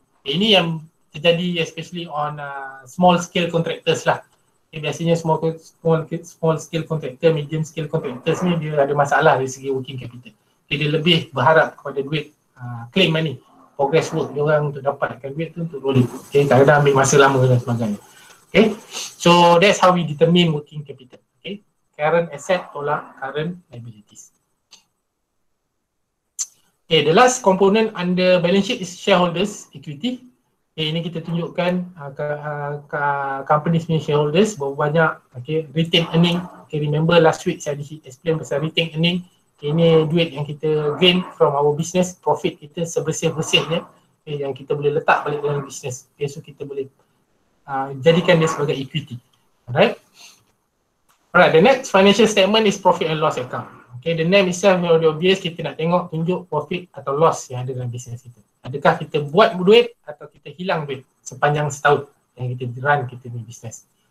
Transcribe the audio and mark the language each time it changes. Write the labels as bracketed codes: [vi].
[en] Okay, [ms] ini yang terjadi [en] especially on small scale contractors lah. Okay, biasanya small scale contractor, medium scale contractors [ms] ni dia ada masalah dari segi [en] working capital. [ms] Okay, dia lebih berharap kepada duit, claim money, progress work dia orang untuk dapatkan duit tu untuk rolling. Okay, kadang-kadang ambil masa lama dan sebagainya. [en] Okay, so that's how we determine working capital. Okay, current asset [ms] tolak [en] current liabilities. Okay, the last component under balance sheet is shareholders equity. [ms] Okay, ini kita tunjukkan ke company's shareholders berapa banyak. [en] Okay, retained earning. Okay, remember last week saya explain pasal retained earning. [ms] Okay, ini duit yang kita [en] gain from our business, [ms] profit kita sebersih-bersihnya. Okay, yang kita boleh letak balik dalam business. Okay, so kita boleh jadikan dia sebagai equity. Alright. [en] Alright, the next financial statement is profit and loss account. Okay, the name itself is already obvious. [ms] Kita nak tengok tunjuk profit atau loss yang ada dalam business kita. Adakah kita buat duit atau kita hilang duit sepanjang setahun yang kita run kita ni business.